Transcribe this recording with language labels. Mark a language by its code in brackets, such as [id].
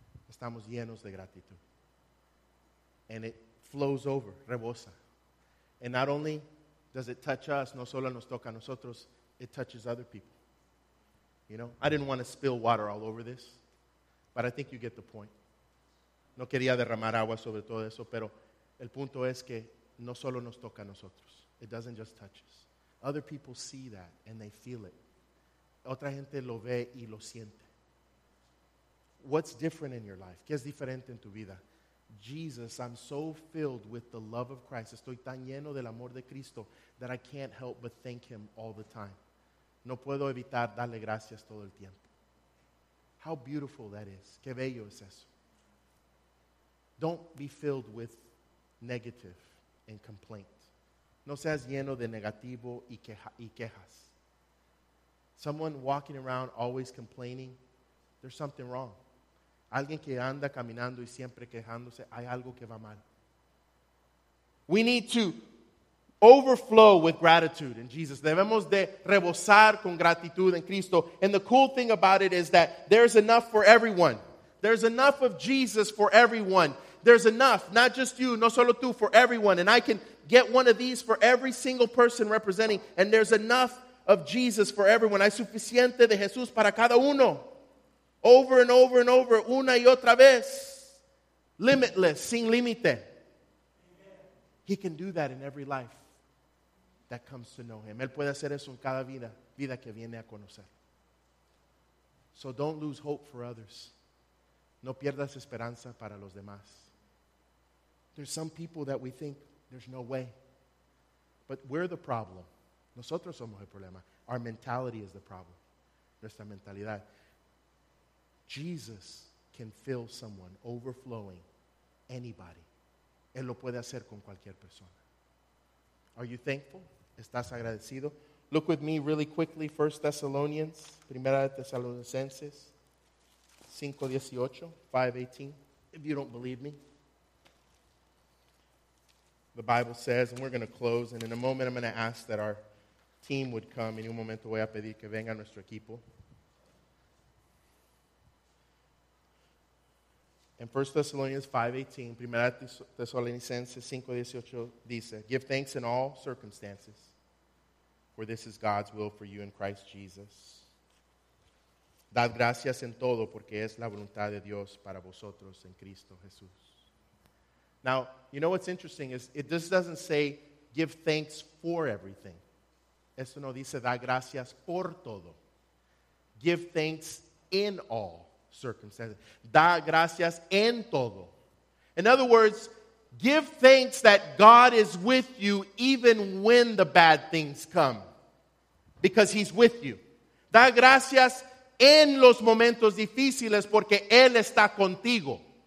[es] Estamos llenos de gratitud. [en] And it flows over, [es] rebosa. [en] And not only does it touch us, [es] no solo nos toca a nosotros, [en] it touches other people. You know, I didn't want to spill water all over this, but I think you get the point. [es] No quería derramar agua sobre todo eso, pero el punto es que no solo nos toca a nosotros. [en] It doesn't just touch us. Other people see that and they feel it. [es] Otra gente lo ve y lo siente. [en] What's different in your life? [es] ¿Qué es diferente en tu vida? [en] Jesus, I'm so filled with the love of Christ. [es] Estoy tan lleno del amor de Cristo [en] that I can't help but thank Him all the time. [es] No puedo evitar darle gracias todo el tiempo. [en] How beautiful that is. [es] Qué bello es eso. [en] Don't be filled with negative and complaint. [es] No seas lleno de negativo y quejas. [en] Someone walking around always complaining, there's something wrong. [es] Alguien que anda caminando y siempre quejándose, hay algo que va mal. [en] We need to overflow with gratitude in Jesus. [es] Debemos de rebosar con gratitud en Cristo. [en] And the cool thing about it is that there's enough for everyone. There's enough of Jesus for everyone. There's enough, not just you, [es] no solo tú, [en] for everyone. And I can get one of these for every single person representing. And there's enough of Jesus for everyone. [es] Hay suficiente de Jesús para cada uno. [en] Over and over and over, [es] una y otra vez. limitless, sin límite. [en] He can do that in every life that comes to know him. [es] Él puede hacer eso en cada vida, vida que viene a conocer. [en] So don't lose hope for others. [es] No pierdas esperanza para los demás. [en] There's some people that we think there's no way. But we're the problem. [es] Nosotros somos el problema. [en] Our mentality is the problem. [es] Nuestra mentalidad. [en] Jesus can fill someone, overflowing, anybody. [es] Él lo puede hacer con cualquier persona. [en] Are you thankful? [es] ¿Estás agradecido? [en] Look with me really quickly. 1 Thessalonians, 1 Thessalonicenses, 5:18. If you don't believe me, the Bible says, and we're going to close, and in a moment I'm going to ask that our team would come. [es] En un momento voy a pedir que venga nuestro equipo. [en] In 1 Thessalonians 5:18, 1 Thessalonians 5:18 dice, give thanks in all circumstances, for this is God's will for you in Christ Jesus. [es] Dad gracias en todo, porque es la voluntad de Dios para vosotros en Cristo Jesús. [en] Now, you know what's interesting is, it just doesn't say, give thanks for everything. [es] Esto no dice, da gracias por todo. [en] Give thanks in all circumstances. [es] Da gracias en todo. [en] In other words, give thanks that God is with you even when the bad things come, because he's with you. [es] Da gracias en los momentos difíciles porque él está contigo.